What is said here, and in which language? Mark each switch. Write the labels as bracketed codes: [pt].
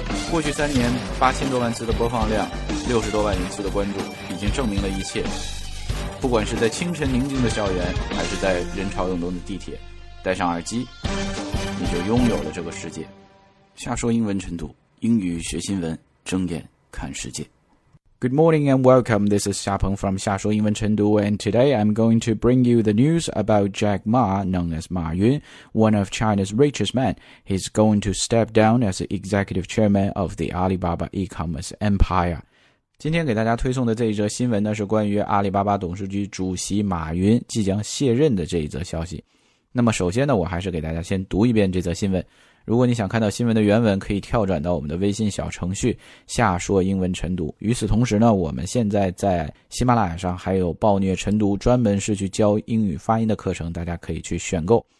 [zh] 过去三年，8000多万次的播放量，60多万人次的关注，已经证明了一切。不管是在清晨宁静的校园，还是在人潮涌动的地铁，戴上耳机，你就拥有了这个世界。下说英文晨读，英语学新闻，睁眼看世界。 [en] Good morning and welcome. This is Xia Peng from 夏说英文晨读 and today I'm going to bring you the news about Jack Ma, known as Ma Yun, one of China's richest men. He's going to step down as the executive chairman of the Alibaba e-commerce empire. [zh] 今天给大家推送的这一则新闻呢，是关于阿里巴巴董事局主席马云即将卸任的这一则消息。那么首先呢，我还是给大家先读一遍这则新闻。如果你想看到新闻的原文，可以跳转到我们的微信小程序下说英文晨读。与此同时呢，我们现在在喜马拉雅上还有暴虐晨读，专门是去教英语发音的课程，大家可以去选购。